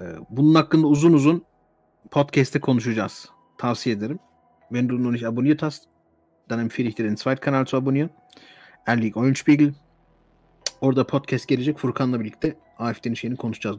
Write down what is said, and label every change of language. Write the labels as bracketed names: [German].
[Turkish] Bunun hakkında uzun uzun podcast'te konuşacağız. Tavsiye ederim. [German] Wenn du noch nicht abonniert hast, dann empfehle ich dir den zweiten Kanal zu abonnieren. [Turkish] Erlik Oyunspiegel. Orada podcast gelecek. Furkan'la birlikte AFD'nin şeyini konuşacağız.